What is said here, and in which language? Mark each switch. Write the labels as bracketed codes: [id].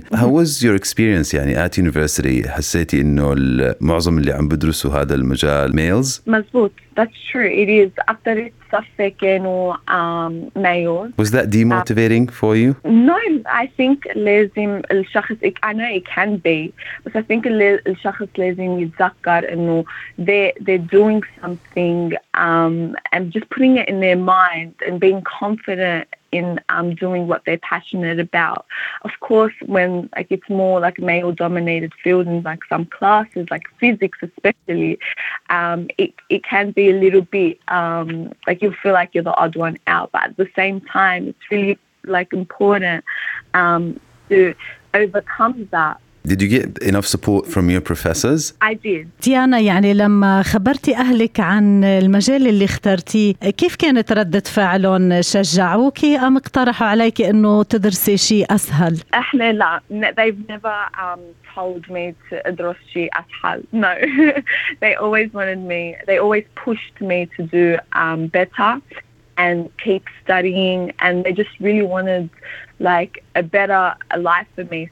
[en] How was your experience [ar] يعني [en] at university؟ [ar] حسيتي انه معظم اللي عم بدرسوا هذا المجال males؟ مزبوط. [en] That's true. It is. After it [ar] صفي كانوا [en] males. Was that demotivating for you? No, I think [ar] لازم الشخص. [en] I know it can be, but I think [ar] الشخص لازم يتذكر إنه [en] they're doing something and just putting it in their mind and being confident in doing what they're passionate about. Of course, when like it's more like male dominated field in like some classes, like physics especially, it can be a little bit like you feel like you're the odd one out, but at the same time it's really like important to overcome that. Did you get enough support from your professors? I did. [ar] ديانا، يعني لما خبرتي أهلك عن المجال اللي اخترتي، كيف كانت ردة فعلهم؟ شجعوك أم اقترحوا عليك إنه تدرسي شيء أسهل؟ أهلي لا، [en] they've never told me to [ar] أدرس شيء أسهل. [en] No, they always wanted me. They always pushed me to do better and keep studying. And they just really wanted like a better life for me.